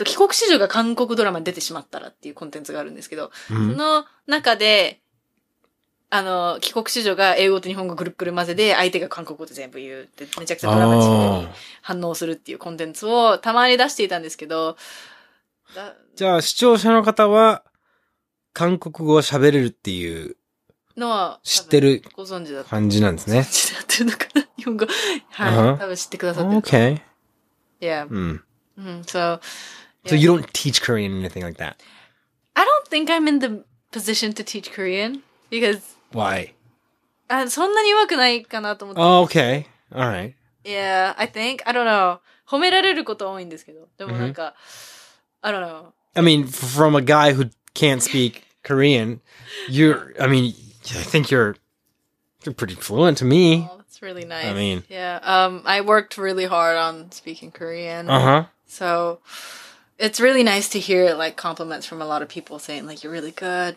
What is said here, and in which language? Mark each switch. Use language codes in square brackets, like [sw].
[ja] 帰国子女が韓国ドラマに出てしまったらっていうコンテンツがあるんですけど、その中で、帰国子女が英語と日本語ぐるぐる混ぜで、相手が韓国語で全部言うって、めちゃくちゃドラマチックに反応するっていうコンテンツをたまに出していたんですけど、じゃあ視聴者の方は、韓国語を喋れるっていうのは、知ってる、ご存知だった。感じなんですね。知ってるのかな日本語。はい。多分知ってくださってる。 [en] Okay. Yeah. So you don't teach Korean or anything like that? I don't think I'm in the position to teach Korean because... Why? [ja] そんなに上手くないかなと思って。 [en] Oh, okay. All right. Yeah, I think. I don't know. [ja] 褒められること多いんですけど。でもなんか、 [en] I don't know. I mean, from a guy who can't speak Korean, I think you're pretty fluent to me. Oh, that's really nice. I mean... Yeah, I worked really hard on speaking Korean. Uh-huh. So, it's really nice to hear, like, compliments from a lot of people saying, like, you're really good.